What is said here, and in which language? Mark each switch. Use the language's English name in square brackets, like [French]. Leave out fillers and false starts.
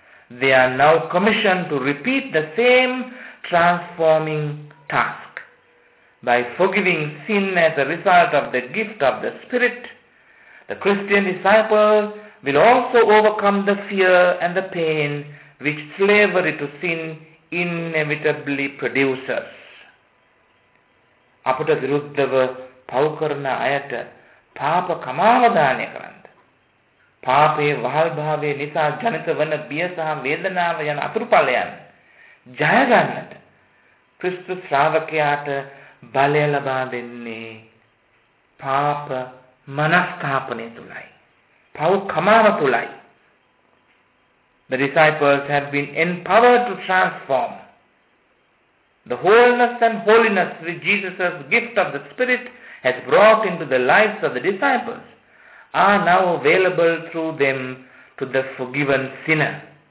[English] They are now commissioned to repeat the same transforming task. By forgiving sin as a result of the gift of the Spirit, the Christian disciple will also overcome the fear and the pain which slavery to sin inevitably produces. [Sinhala] අපට විරුද්ධව පව් කරන අයට පාප කමාවදානය කරන්න. පාපයේ වහල්භාවය නිසා ජනිත වන බිය සහ වේදනාව යන අතුරුඵලයන් ජයගන්නට ක්‍රිස්තුස් ශ්‍රාවකයාට බලය ලබා දෙන්නේ පාප මනස්ථාපනය තුළයි, පව් කමාව තුළයි. [English] The disciples have been empowered to transform. The wholeness and holiness with Jesus' gift of the Spirit has brought into the lives of the disciples are now available through them to the forgiven sinner.